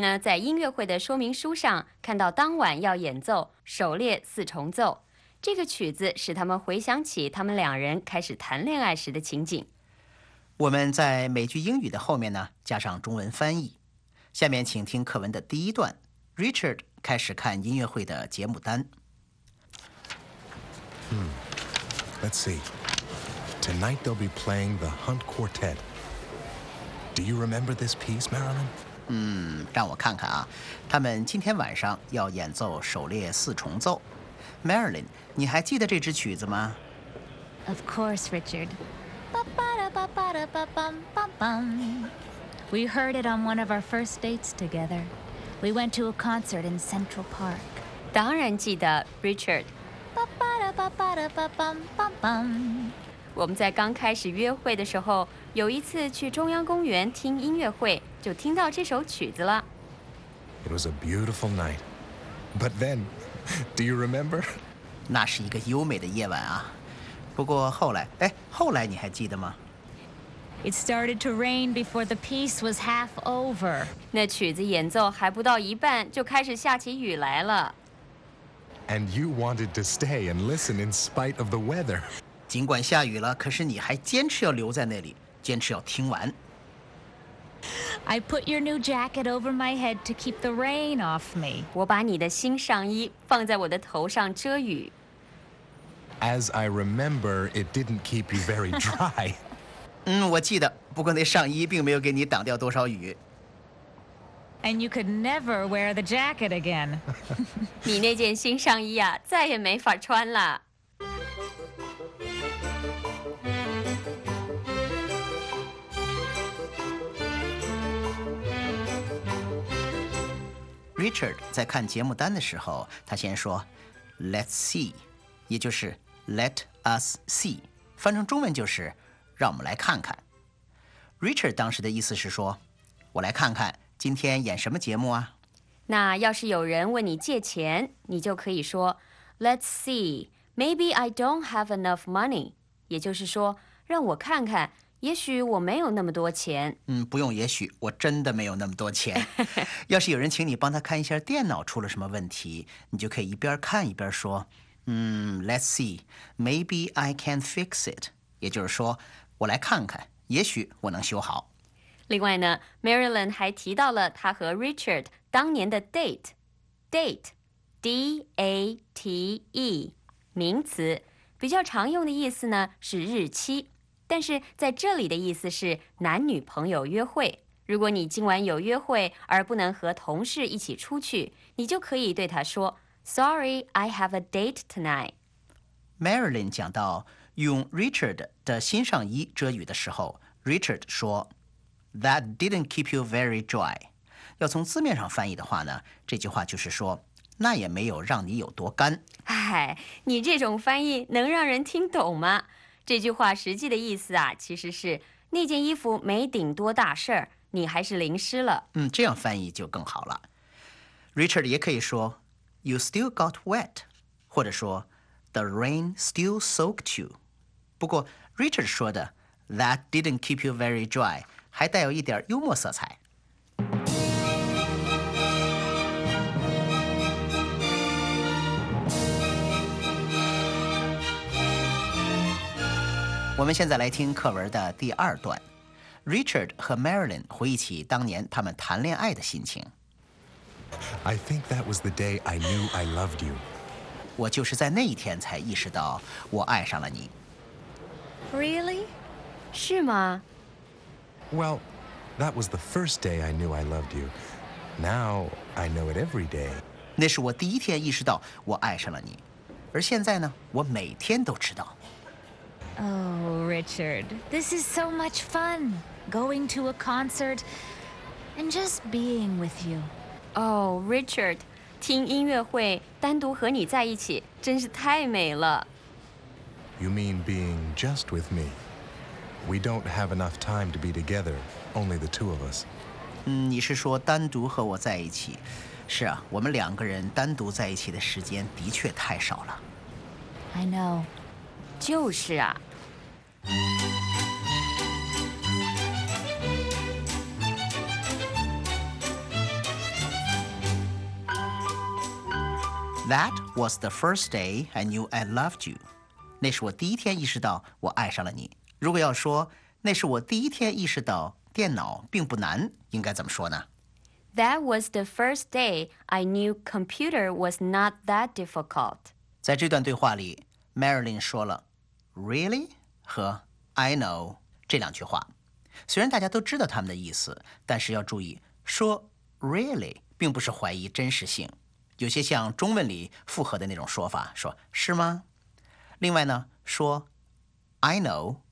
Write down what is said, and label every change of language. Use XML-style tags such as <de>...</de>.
<zh>呢，在音乐会的说明书上看到当晚要演奏首列四重奏，这个曲子使他们回想起他们两人开始谈恋爱时的情景。我们在每句英语的后面呢，加上中文翻译。下面请听课文的第一段。Richard 开始看音乐会的节目单。</zh> <en>Let's see. Tonight they'll be playing the Hunt Quartet. Do you remember this piece, Marilyn?</en> <zh>让我看看啊，他们今天晚上要演奏首列四重奏。 Marilyn, 你还记得这支曲子吗？</zh> <en>Of course, Richard. Ba-da-ba-ba-da-ba-bum-bum-bum. We heard it on one of our first dates together. We went to a concert in Central Park.</en> <zh>当然记得 ,Richard. Ba-ba-da-ba-ba-da-ba-bum-bum. 我们在刚开始约会的时候，有一次去中央公园听音乐会，就听到这首曲子了。</zh> <en>It was a beautiful night. But then, do you remember?</en> <zh>那是一个优美的夜晚啊。不过后来，哎，后来你还记得吗？</zh> <en>It started to rain before the piece was half over.</en> <zh>那曲子演奏还不到一半就开始下起雨来了。</zh> <en>And you wanted to stay and listen in spite of the weather.</en> <zh>尽管下雨了，可是你还坚持要留在那里，坚持要听完。</zh> <en>I put your new jacket over my head to keep the rain off me.</en> <zh>我把你的新上衣放在我的头上遮雨。</zh> <en>As I remember, it didn't keep you very dry.</en> <zh>嗯，我记得，不过那上衣并没有给你挡掉多少雨。</zh> <en>And you could never wear the jacket again.</en> <zh>你那件新上衣啊，再也没法穿了。 Richard 在看节目单的时候，他先说</zh> <en>"Let's see"，</en> <zh>也就是</zh> <en>"Let us see"，</en> <zh>翻成中文就是。让我们来看看。 Richard 当时的意思是说，我来看看今天演什么节目啊。那要是有人问你借钱，你就可以说</zh> <en>Let's see, maybe I don't have enough money.</en> <zh>也就是说，让我看看，也许我没有那么多钱。嗯，不用也许，我真的没有那么多钱。要是有人请你帮他看一下电脑出了什么问题，你就可以一边看一边说，嗯 ，</zh> <en>Let's see, maybe I can fix it.</en> <zh>也就是说，我来看看，也许我能修好。另外呢 ，Marilyn 还提到了她和 Richard 当年的 date，date，D-A-T-E， 名词，比较常用的意思呢是日期，但是在这里的意思是男女朋友约会。如果你今晚有约会而不能和同事一起出去，你就可以对他说 ，</zh> <en>Sorry, I have a date tonight。</en> <zh>Marilyn 讲到。用 Richard 的新上衣遮雨的时候 ，Richard 说 ，</zh> <en>That didn't keep you very dry。</en> <zh>要从字面上翻译的话呢，这句话就是说，那也没有让你有多干。哎，你这种翻译能让人听懂吗？这句话实际的意思啊，其实是那件衣服没顶多大事儿，你还是淋湿了。嗯，这样翻译就更好了。 Richard 也可以说 ，</zh> <en>You still got wet，</en> <zh>或者说。</zh> <en>The rain still soaked you.</en> <zh>不过 Richard 说的</zh> <en>That didn't keep you very dry</en> <zh>还带有一点幽默色彩。我们现在来听课文的第二段。Richard 和 Marilyn 回忆起当年他们谈恋爱的心情。</zh> <en>I think that was the day I knew I loved you.</en> <zh>我就是在那一天才意识到我爱上了你。</zh> <en>Really?</en> <zh>是吗</zh> <en>？Well, that was the first day I knew I loved you. Now I know it every day.</en> <zh>那是我第一天意识到我爱上了你，而现在呢，我每天都知道。</zh> <en>Oh, Richard, this is so much fun. Going to a concert and just being with you. Oh, Richard.</en> <zh>听音乐会，单独和你在一起，真是太美了。</zh> <en>You mean being just with me? We don't have enough time to be together, only the two of us.</en> <zh>嗯，你是说单独和我在一起？是啊，我们两个人单独在一起的时间的确太少了。</zh> <en>I know.</en> <zh>就是啊。</zh> <en>That was the first day I knew I loved you.</en> <zh>那是我第一天意识到我爱上了你。如果要说那是我第一天意识到电脑并不难，应该怎么说呢</zh> <en>？That was the first day I knew computer was not that difficult.</en> <zh>在这段对话里 ，Marilyn 说了 "Really" 和</zh> <en>"I know"</en> <zh>这两句话。虽然大家都知道他们的意思，但是要注意，说 "Really" 并不是怀疑真实性。有些像中文里附和的那种说法，说是吗？另外呢，说</zh> <en>I know</en>